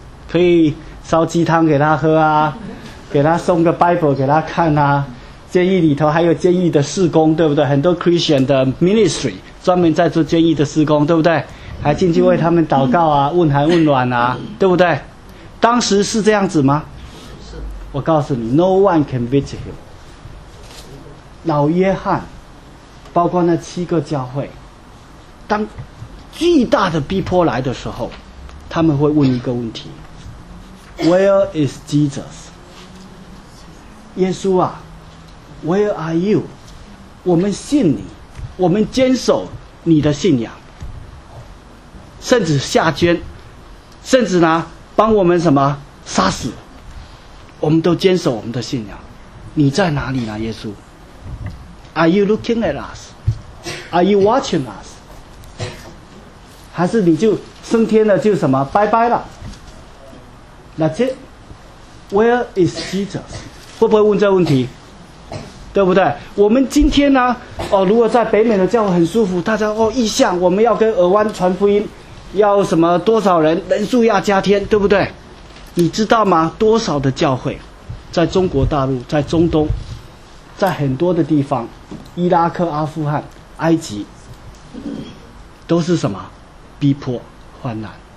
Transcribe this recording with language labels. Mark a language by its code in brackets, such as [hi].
[zh] 可以烧鸡汤给他喝啊，给他送个 Bible 给他看啊。监狱里头还有监狱的事工，对不对？很多 Christian 的 ministry 专门在做监狱的事工，对不对？还进去为他们祷告啊，问寒问暖啊，对不对？当时是这样子吗？我告诉你 [en] ，No one can visit him。 [zh] 老约翰，包括那七个教会，当巨大的逼迫来的时候，他们会问一个问题 ： [en] Where is Jesus？耶稣啊 ，Where are you？ [zh] 我们信你，我们坚守你的信仰，甚至下捐，甚至呢帮我们什么杀死，我们都坚守我们的信仰。你在哪里呢， [en] 耶稣？Are you looking at us? Are you watching us? [zh] 还是你就升天了就什么拜拜了？那这 [en] Where is Jesus? [zh] 会不会问这问题？对不对？我们今天呢，哦，如果在北美的教会很舒服，大家哦意向我们要跟尔湾传福音，要什么多少人，人数要加添，对不对？你知道吗？多少的教会，在中国大陆，在中东，在很多的地方，伊拉克、阿富汗、埃及，都是什么逼迫患难。